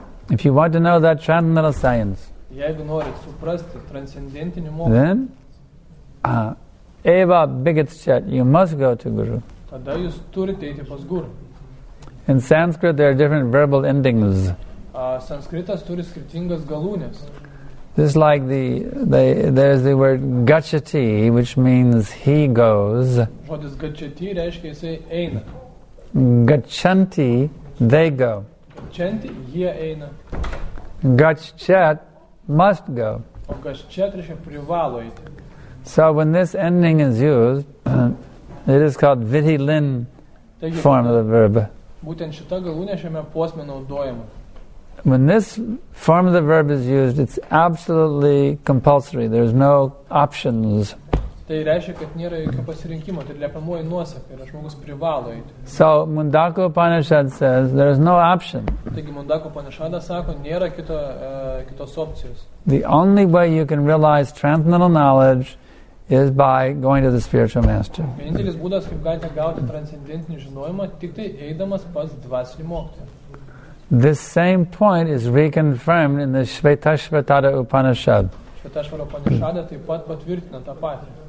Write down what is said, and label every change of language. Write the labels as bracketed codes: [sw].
[en] If you want to know that transcendental science, [lt] jeigu norit suprasti transcendentinį mokslą, [en] then [sa] eva vigatschet, [en] you must go to guru. [lt] Tada jūs turite eiti pas guru. [en] In Sanskrit, there are different verbal endings. [lt] Sanskritas turi skirtingas galūnės. [en] This is like there's the word gachati, which means he goes. [lt] Žodis gachati reiškia jisai eina. [en] Gachanti, they go. [lt] Gachanti, jie eina. [en] Gachchet, must go. [lt] O gachchet reiškia privalo eiti. [en] So when this ending is used, it is called vitilin form of the verb. [lt] Būtent šita galūnė šiame posme naudojama. [en] When this form of the verb is used, it's absolutely compulsory. There's no options. [lt] Tai reiškia, kad nėra jokio pasirinkimo, tai liepiamoji nuosaka, ir žmogus privalo eiti. [en] So Mundaka Upanishad says there is no option. [lt] Taigi Mundaka Upanishadas sako, nėra kitos opcijos. [en] The only way you can realize transcendental knowledge is by going to the spiritual master. [lt] Vienintelis būdas, kaip galite gauti transcendentinį žinojimą, tik tai eidamas pas dvasinį mokytoją. [en] This same point is reconfirmed in the Shvetashvatara Upanishad. [lt] Shvetashvara Upanishad taip pat patvirtina tą patį.